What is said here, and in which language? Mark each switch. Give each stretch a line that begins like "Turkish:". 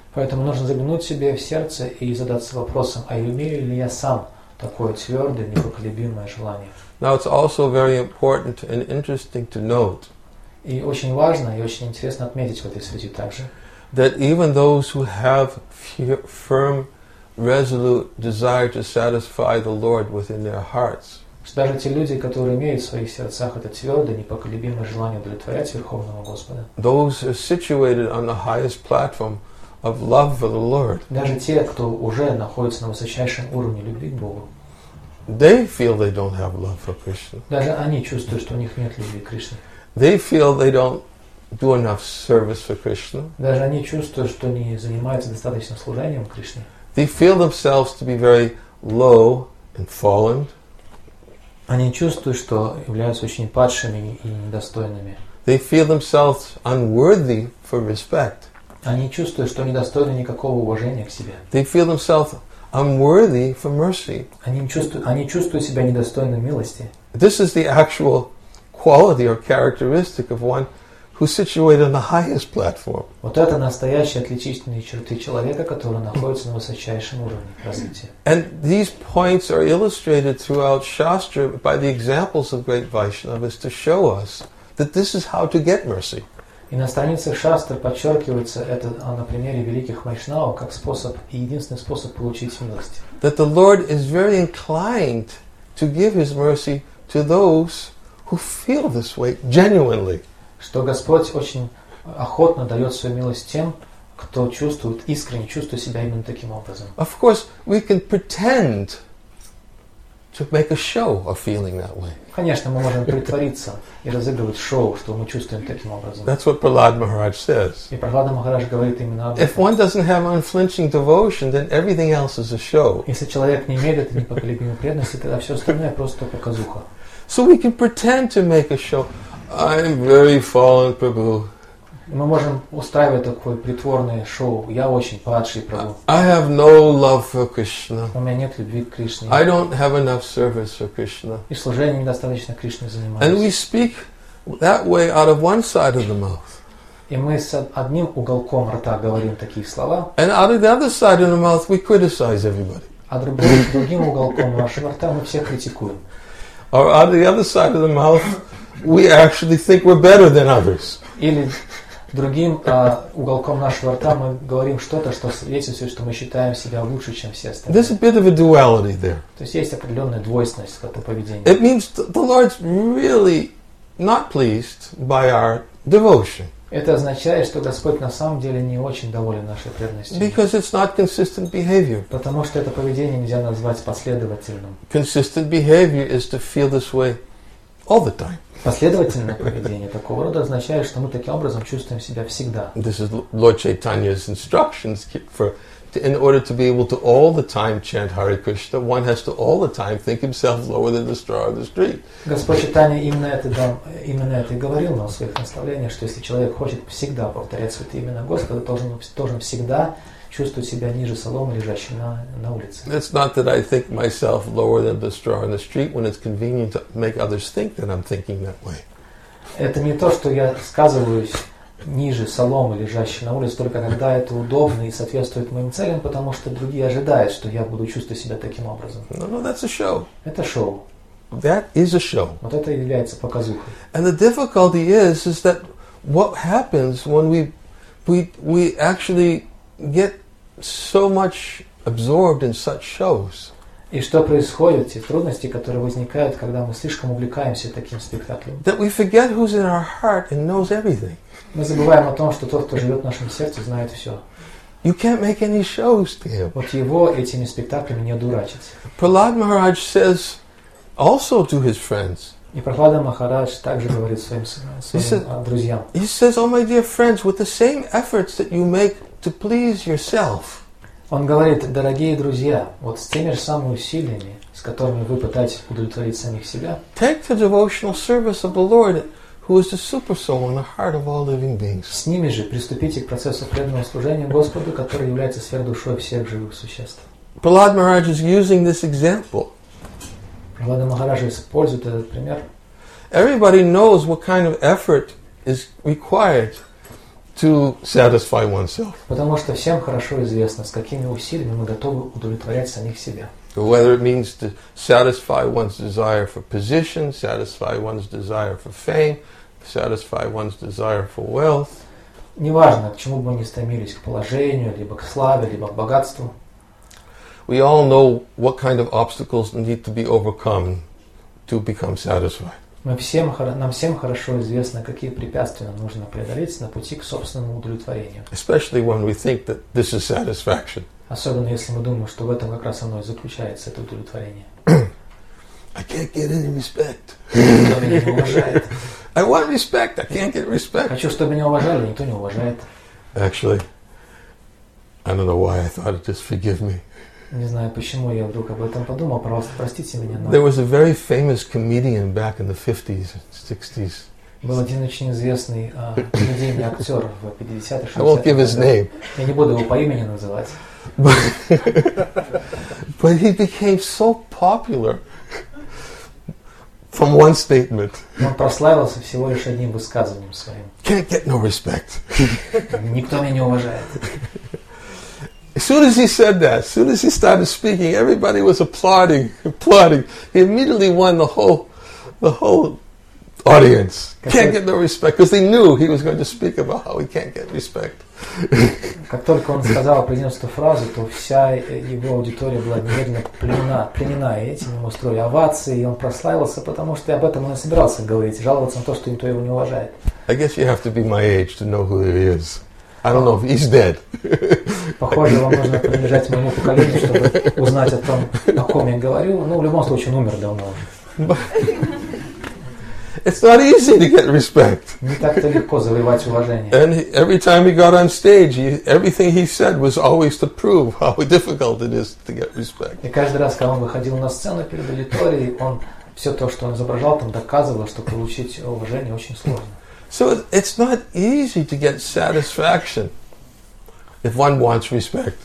Russian: Поэтому нужно заглянуть себе в сердце и задаться вопросом, а имею ли я сам такое твердое, непоколебимое желание?
English: Now it's also very important and interesting to note.
Russian: И очень важно и очень интересно отметить в этой связи также.
English: That even those who have firm, resolute desire to satisfy the Lord within their hearts.
Russian: Что даже те люди, которые имеют в своих сердцах это твердое, непоколебимое желание удовлетворять Верховного Господа.
English: Those who are situated on the highest platform of love for the Lord.
Russian: Даже те, кто уже находится на высочайшем уровне любви к Богу.
English: They feel they don't have love for Krishna.
Russian: Даже они чувствуют, что у них нет любви к Кришне.
English: They feel they don't do enough service for Krishna.
Russian: Даже они чувствуют, что не занимаются достаточно служением Кришне.
English: They feel themselves to be very low and fallen.
Russian: Они чувствуют, что являются очень падшими и недостойными.
English: They feel themselves unworthy for respect.
Russian: Они чувствуют, что недостойны никакого уважения к себе.
English: They feel themselves unworthy for mercy.
Russian: Они чувствуют себя недостойным милости.
English: This is the actual quality or characteristic of one who is situated on the highest platform.
Russian: Вот это настоящие отличительные черты человека, который находится на высочайшем уровне развития.
English: And these points are illustrated throughout Shastra by the examples of great Vaishnavas to show us that this is how to get mercy.
Russian: И на страницах Шастр подчеркивается это на примере великих вайшнавов как способ и единственный способ получить милость.
English: That the Lord is very inclined to give His mercy to those who feel this way genuinely.
Russian: Что Господь очень охотно дает свою милость тем, кто чувствует искренне, чувствует себя именно таким образом.
English: Of course, we can pretend to make a show of feeling that way.
Russian: Конечно, мы можем притвориться и разыгрывать шоу, что мы чувствуем таким образом.
English: That's what Prahlad Maharaj says.
Russian: И Прахлада Махарадж говорит именно об этом.
English: If one doesn't have unflinching devotion, then everything else is a show.
Russian: Если человек не имеет этой непоколебимой преданности, тогда все остальное просто показуха.
English: So we can pretend to make a show. I'm very fallen, Prabhu.
Russian: Мы можем устраивать такое притворное шоу. Я очень падший, Прабху.
English: I have no love for Krishna.
Russian: У меня нет любви к Кришне.
English: I don't have enough service for Krishna.
Russian: И служение недостаточно Кришне занимаюсь.
English: And we speak that way out of one side of the mouth.
Russian: И мы с одним уголком рта говорим такие слова.
English: And out of the other side of the mouth we criticize everybody.
Russian: А другим уголком нашего рта мы всех критикуем.
English: Or out of the other side of the mouth we actually think we're better than others.
Russian: Или другим уголком нашего рта мы говорим что-то, что свидетельствует, что мы считаем себя лучше, чем все остальные.
English: There's a bit of a duality there.
Russian: То есть есть определенная двойственность в этом поведении.
English: It means the Lord's really not pleased by our devotion.
Russian: Это означает, что Господь на самом деле не очень доволен нашей преданностью.
English: Because it's not consistent behavior.
Russian: Потому что это поведение нельзя назвать последовательным.
English: Consistent behavior is to feel this way all the time.
Russian: Последовательное поведение такого рода означает, что мы таким образом чувствуем себя всегда.
English: This is Lord Chaitanya's instructions in order to be able to all the time chant Hare Krishna, one has to all the time think himself lower than the straw on the street.
Russian: Господь Чайтанья именно это и говорил нам в своих наставлениях, что если человек хочет всегда повторять свои имена Господа, должен всегда чувствовать себя ниже соломы, лежащей на улице.
English: It's not that I think myself lower than the straw in the street when it's convenient to make others think that I'm thinking that way.
Russian: Это не то, что я сказываюсь ниже соломы, лежащей на улице, только когда это удобно и соответствует моим целям, потому что другие ожидают, что я буду чувствовать себя таким образом.
English: No, that's a show.
Russian: Это шоу.
English: That is a show.
Russian: Вот это и является показухой.
English: And the difficulty is that what happens when we actually get so much absorbed in such shows.
Russian: И что происходит, те трудности, которые возникают, когда мы слишком увлекаемся таким спектаклем.
English: That we forget who's in our heart and knows everything.
Russian: Мы забываем о том, что тот, кто живет в нашем сердце, знает все.
English: You can't make any shows to him.
Russian: Вот его этими спектаклями не дурачить.
English: Prahlad Maharaj says also to his friends.
Russian: И Прохлада Махарадж также говорит своим друзьям.
English: He says, "Oh, my dear friends, with the same efforts that you make to please yourself."
Russian: Он говорит, дорогие друзья, вот с теми же самыми усилиями, с которыми вы пытаетесь удовлетворить самих себя.
English: Take the devotional service of the Lord, who is the supersoul in the heart of all living beings.
Russian: С ними же приступите к процессу преданного служения Господу, который является сверхдушой всех живых существ.
English: Prahlad Maharaj is using this example.
Russian: Prahlada Maharaj использует этот пример.
English: Everybody knows what kind of effort is required to satisfy oneself.
Russian: Потому что всем хорошо известно, с какими усилиями мы готовы удовлетворять самих себя.
English: Whether it means to satisfy one's desire for position, satisfy one's desire for fame, satisfy one's desire for wealth.
Russian: Неважно, к чему бы мы ни стремились, к положению, либо к славе, либо к богатству.
English: We all know what kind of obstacles need to be overcome to become satisfied.
Russian: Нам всем хорошо известно, какие препятствия нам нужно преодолеть на пути к собственному удовлетворению.
English: Especially when we think that this is satisfaction.
Russian: Особенно если мы думаем, что в этом как раз оно и заключается, это удовлетворение.
English: I can't get any respect.
Russian: Никто меня не уважает.
English: I want respect, I can't get respect.
Russian: Хочу, чтобы меня уважали, никто не уважает.
English: Actually, I don't know why I thought it, just forgive me.
Russian: Не знаю, почему я вдруг об этом подумал, пожалуйста, простите меня. Но...
English: There was a very famous comedian back in the 50s, 60s.
Russian: Был один очень известный комедийный актер в 50-х, 60-х.
English: I won't give his name.
Russian: Я не буду его по имени называть.
English: But he became so popular from one statement.
Russian: Он прославился всего лишь одним высказыванием своим.
English: Can't get no respect.
Russian: Никто меня не уважает.
English: As soon as he said that, as soon as he started speaking, everybody was applauding. He immediately won the whole audience. Can't get no respect, because they knew he was going to speak about how he can't get respect.
Russian: Как только он сказал, произнес эту фразу, то вся его аудитория была немедленно пленена этим, ему устроили овации, и он прославился, потому что об этом он и собирался говорить, жаловаться на то, что никто его не уважает.
English: I guess you have to be my age to know who he is. I don't know if he's dead.
Russian: Похоже, вам нужно принадлежать моему поколению, чтобы узнать о том, о ком я говорю. Ну, в любом случае, он умер давно уже.
English: It's not easy to get respect.
Russian: Не так-то легко завоевать уважение.
English: And every time he got on stage, everything he said was always to prove how difficult it is to get respect.
Russian: И каждый раз, когда он выходил на сцену перед аудиторией, он все то, что он изображал, там доказывал, что получить уважение очень сложно.
English: So it's not easy to get satisfaction if one wants respect.